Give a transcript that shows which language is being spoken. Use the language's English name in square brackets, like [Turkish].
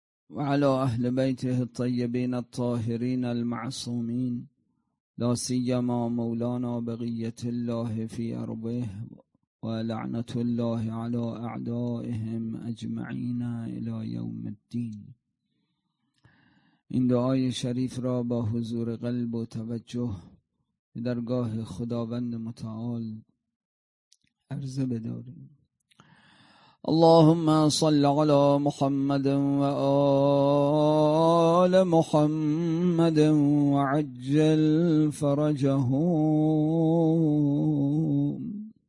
[Arabic] وعلى أهل بيته الطيبين الطاهرين المعصومين، لا سيما مولانا بقية الله في أرضه، ولعنة الله على أعدائهم أجمعين إلى يوم الدين. [Persian] إن دعاي شريف را با حضور قلب و توجه درگاه خداوند متعال عرض بداریم. [Arabic] اللهم صل على محمد وآل محمد وعجل فرجهم.